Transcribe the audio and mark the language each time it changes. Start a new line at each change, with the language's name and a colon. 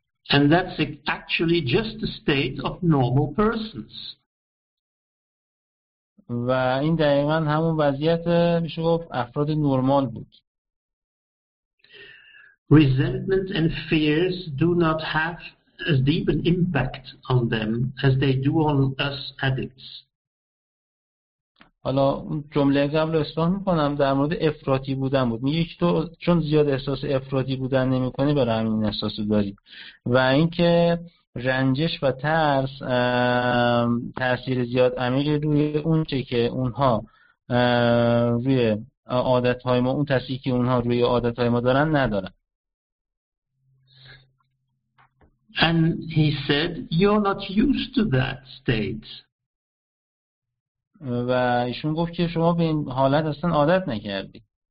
English: And that's actually just the state of normal persons.
Persian: و این دقیقاً همون وضعیت میشه گفت افراد نرمال بود.
English: Resentment and fears do not have as deep an impact on them as they do on us addicts.
Persian: حالا جمله قبل اصلاح میکنم، در مورد افراطی بودن بود. میگه که تو چون زیاد احساس افراطی بودن نمی کنی برای همین احساس داری، و اینکه رنجش و ترس تأثیر زیاد عمیق روی اون چه که اونها روی عادتهای ما، اون تأثیر که اونها روی عادتهای ما دارن ندارن.
English: And he said, you're not used to that state.
Persian: و ایشون گفت که شما به این حالت اصلا عادت نکردید.